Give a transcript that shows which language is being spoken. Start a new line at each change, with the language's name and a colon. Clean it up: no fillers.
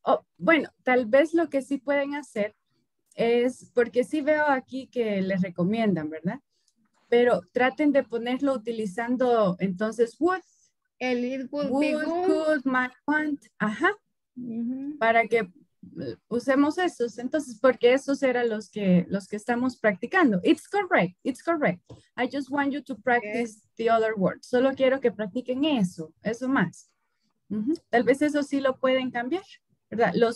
Spanish: Oh, bueno, tal vez lo que sí pueden hacer es, porque sí veo aquí que les recomiendan, ¿verdad? Pero traten de ponerlo utilizando, entonces, would.
English: El it would be good. Might want. Ajá.
Spanish: Para que usemos esos, entonces, porque esos eran los que estamos practicando.
English: It's correct. I just want you to practice the other words.
Spanish: Solo quiero que practiquen eso más. Tal vez eso sí lo pueden cambiar, ¿verdad?